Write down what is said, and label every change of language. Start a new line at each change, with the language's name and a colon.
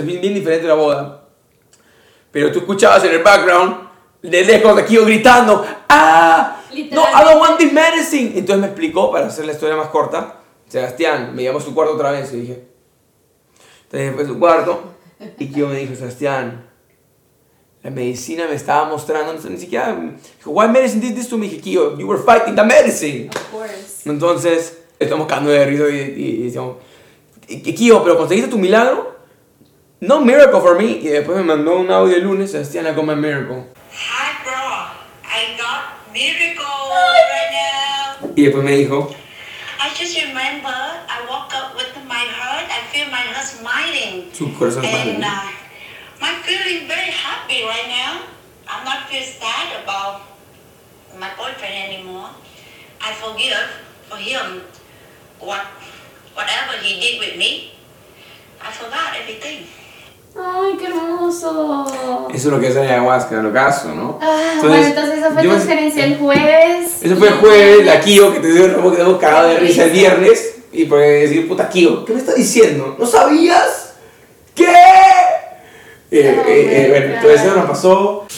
Spanish: Es bien, bien diferente la boda. Pero tú escuchabas en el background, de lejos de Kio gritando, ¡ah! ¡No,
English: I don't want this medicine!
Spanish: Entonces me explicó, para hacer la historia más corta, Sebastián, me llamó a su cuarto otra vez. Y dije, entonces fue a su cuarto. Y Kio me dijo, Sebastián, la medicina me estaba mostrando, no sé, ni siquiera. Dijo,
English: why medicine did this to me?
Spanish: Dije,
English: Kio, you were fighting the medicine. Of course.
Spanish: Entonces, estamos cagando de risa y decíamos, Kio, ¿pero conseguiste tu milagro?
English: No miracle for me.
Spanish: Y después me mandó un audio el lunes, Sebastián,
English: I got my miracle. Hi, bro. I got miracle right now.
Spanish: Y después me dijo,
English: I just remember I woke up with my heart. I feel my heart smiling.
Spanish: Su corazón
English: smiling. My feeling very happy right now. I'm not feeling sad about my boyfriend anymore. I forgive for him whatever he did with me. I forgot everything.
Spanish: ¡Ay, qué hermoso! Eso es lo que es la ayahuasca, en lo caso, ¿no? Entonces, bueno, entonces esa fue tu experiencia el jueves. Eso fue el jueves, la Kio, que te dio un robo que te cagado de risa el viernes. Y pues decir, puta Kio, ¿qué me estás diciendo? ¿No sabías? ¿Qué? Bueno, entonces eso nos pasó.